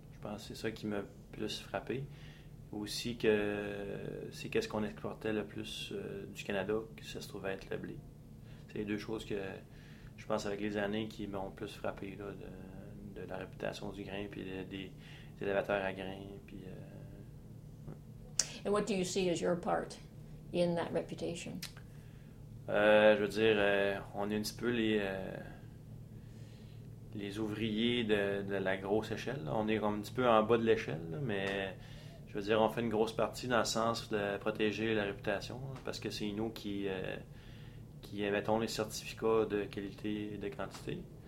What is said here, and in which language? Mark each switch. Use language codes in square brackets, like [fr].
[fr] Je pense que c'est ça qui m'a le plus frappé. Aussi que c'est qu'est-ce qu'on exportait le plus du Canada, que ça se trouve à être le blé. C'est les deux choses que je pense avec les années qui m'ont plus frappé là, de la réputation du grain puis des élévateurs à grain puis [en] And what do you see as your part in that reputation? [fr] Je veux dire on est un petit peu les ouvriers de la grosse échelle là. On est un petit peu en bas de l'échelle mais je veux dire, on fait une grosse partie dans le sens de protéger la réputation, parce que c'est nous qui émettons les certificats de qualité et de quantité.